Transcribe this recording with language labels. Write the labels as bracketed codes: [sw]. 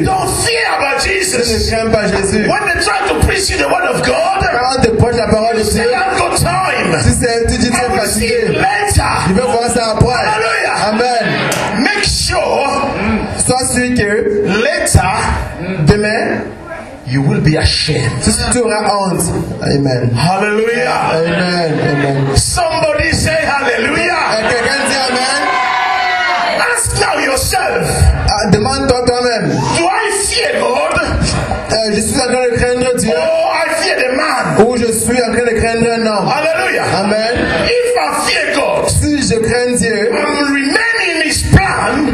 [en] You don't fear about Jesus. [fr] Tu ne crains pas Jésus. [en] When they try to preach you the word of God, [fr] quand te prêche la parole de Dieu, [en] I have got time. [fr] Si c'est, tu dis c'est fatigué. [en] Later. [fr] Je veux voir ça après. Hallelujah. Amen. [en] Make sure. [fr] Sois sûr que [en] later, [fr] demain. [en] You will be ashamed. To our aunt. Amen. Hallelujah. Amen. Amen. Somebody say hallelujah. [fr] Quelqu'un dit amen. [en] Ask now yourself. [fr] Demande-toi toi-même. [en] Do I fear God? [fr] Je suis en train de craindre Dieu. [en] Oh, I fear the man. [fr] Ou je suis en train de craindre un homme. Hallelujah. Amen. [en] If I fear God, [fr] si je crains Dieu, [en] I'm remaining in his plan.